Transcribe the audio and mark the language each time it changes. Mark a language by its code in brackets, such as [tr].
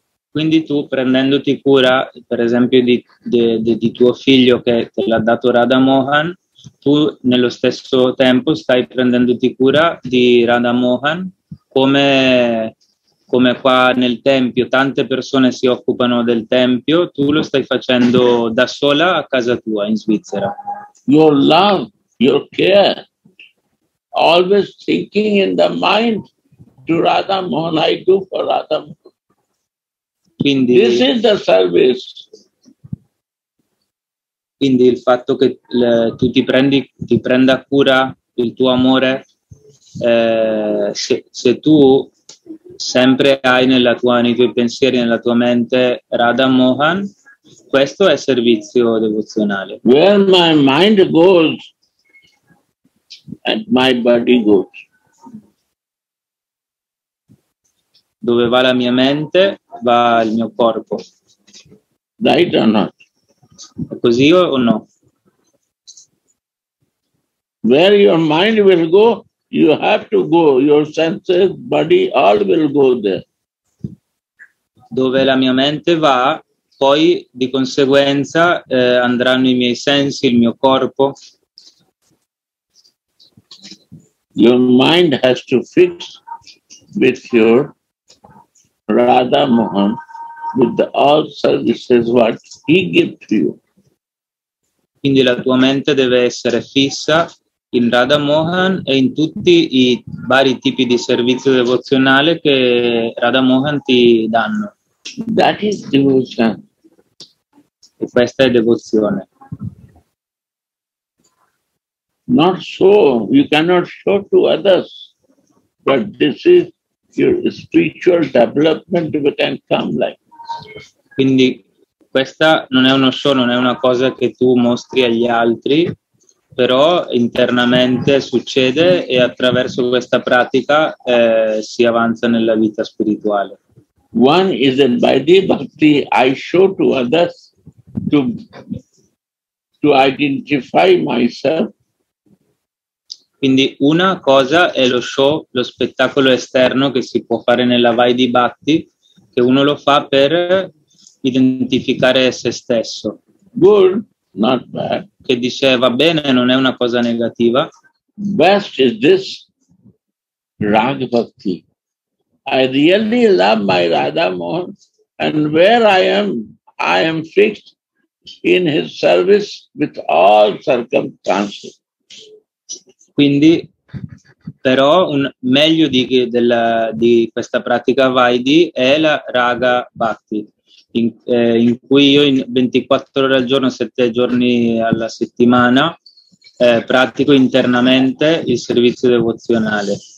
[it] Quindi tu, prendendoti cura, per esempio, di tuo figlio che te l'ha dato Radha Mohan, tu nello stesso tempo stai prendendoti cura di Radha Mohan, come qua nel tempio tante persone si occupano del tempio, tu lo stai facendo da sola a casa tua in Svizzera. [en] Your love, your care, always thinking in the mind to Radha Mohan, I do for Radha Mohan. [it] Quindi, [en] this is the service. [it] Quindi il fatto che tu ti prenda cura il tuo amore, se tu sempre hai nei tuoi pensieri, nella tua mente Radha Mohan, questo è servizio devozionale. [en] Where my mind goes and my body goes. [it] Dove va la mia mente, va il mio corpo. [en] Right or not? [it] È così o no? [en] Where your mind will go, you have to go. Your senses, body, all will go there. [it] Dove la mia mente va, poi di conseguenza andranno i miei sensi, il mio corpo. [en] Your mind has to fix with your Radha Mohan, with all services what he gives to you. [it] Quindi la tua mente deve essere fissa in Radha Mohan e in tutti i vari tipi di servizio devozionale che Radha Mohan ti danno. [en] That is devotion. [it] E questa è devozione. [en] Not so, you cannot show to others, but this is your spiritual development if it can come like this. [it] Quindi questa non è uno show, non è una cosa che tu mostri agli altri, però internamente succede e attraverso questa pratica si avanza nella vita spirituale. [en] One is that by the bhakti I show to others to identify myself. [it] Quindi una cosa è lo show, lo spettacolo esterno che si può fare nella Vai di Bhakti, che uno lo fa per identificare se stesso. [en] Good, not bad. [it] Che dice va bene, non è una cosa negativa. [en] Best is this Rag Bhakti. I really love my Radha Mohan and where I am fixed in his service with all circumstances. [it] Quindi, però, meglio di questa pratica Vaidi è la Raga Bhakti, in cui io in 24 ore al giorno, 7 giorni alla settimana, pratico internamente il servizio devozionale.